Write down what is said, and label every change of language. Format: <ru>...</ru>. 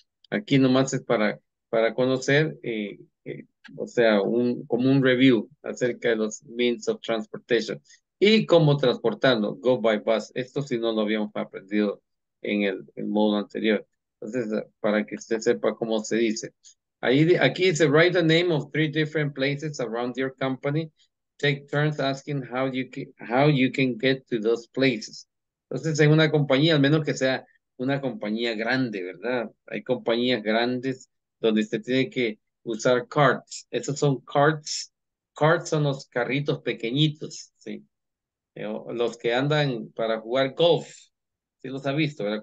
<es>Aquí nomás es para conocer. O sea, como un review acerca de los means of transportation y cómo transportarlo,</es> <en>go by bus.</en> <es>Esto sí no lo habíamos aprendido en el módulo anterior. Entonces, para que usted sepa cómo se dice. Aquí dice,</es> <en>write the name of 3 different places around your company. Take turns asking how you can get to those places.</en> <es>Entonces, en una compañía, al menos que sea una compañía grande, ¿verdad? Hay compañías grandes donde usted tiene que usar carts. Esos son carts. Carts son los carritos pequeñitos, ¿sí? Los que andan para jugar golf. Sí los ha visto, ¿verdad?</es>